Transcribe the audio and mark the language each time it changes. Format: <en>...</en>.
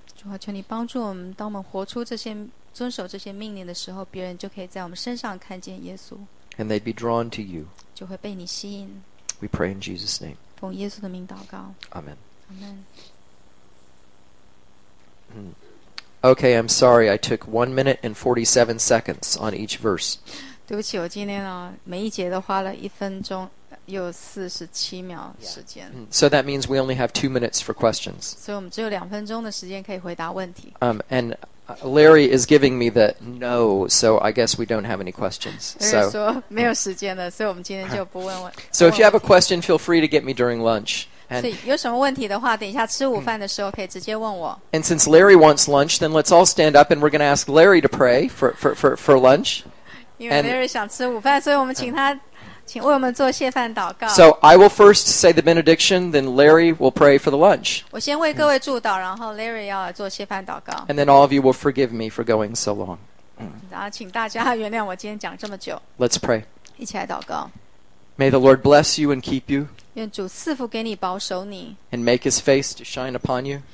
<zh>主啊，求你帮助我们，当我们活出这些、遵守这些命令的时候，别人就可以在我们身上看见耶稣。</zh> <en>And they'd be drawn to you.</en> <zh>就会被你吸引。</zh> <en>We pray in Jesus' name.</en> <zh>奉耶稣的名祷告。</zh> <en>Amen. Amen. Okay, I'm sorry. I took 1 minute and 47 seconds on each verse.</en> <zh>对不起，我今天每一节都花了一分钟又四十七秒时间。</zh> <en>So that means we only have 2 minutes for questions.</en> <zh>所以我们只有两分钟的时间可以回答问题。</zh> <en>And Larry is giving me the no, so I guess we don't have any questions.</en> <zh>So 说没有时间了，所以我们今天就不问问。</zh> <en>So if you have a question, feel free to get me during lunch.</en> <zh>所以有什么问题的话，等一下吃午饭的时候可以直接问我。</zh> <en>And since Larry wants lunch, then let's all stand up and we're going to ask Larry to pray for lunch.</en> <zh>因为 Larry 想吃午饭，所以我们请他请为我们做谢饭祷告。</zh> <en>So I will first say the benediction, then Larry will pray for the lunch.</en> <zh>我先为各位祝祷，然后 Larry 要来做谢饭祷告。</zh> <en>And then all of you will forgive me for going so long.</en> <zh>然后请大家原谅我今天讲这么久。</zh> <en>Let's pray.</en> <zh>一起来祷告。</zh> <en>May the Lord bless you and keep you.</en> <zh>愿主赐福给你，保守你。</zh> <en>And make His face to shine upon you.</en>